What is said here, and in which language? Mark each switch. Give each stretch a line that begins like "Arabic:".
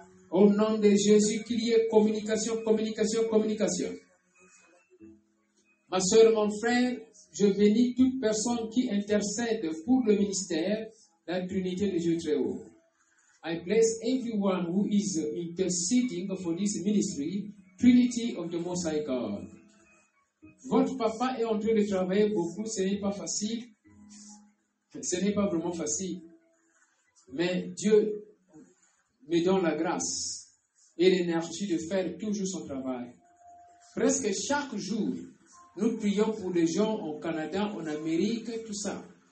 French: Au nom de Jésus, qu'il y ait communication, communication, communication. Ma soeur, mon frère, je bénis toute personne qui intercède pour le ministère de la Trinité de Dieu Très-Haut.
English: I bless everyone who is interceding for this ministry, Trinity of the Most High God.
French: Votre papa est en train de travailler beaucoup, ce n'est pas facile. Ce n'est pas vraiment facile. Mais Dieu me donne la grâce et l'énergie de faire toujours son travail. Presque chaque jour, nous prions pour les gens au Canada, en Amérique, tout ça.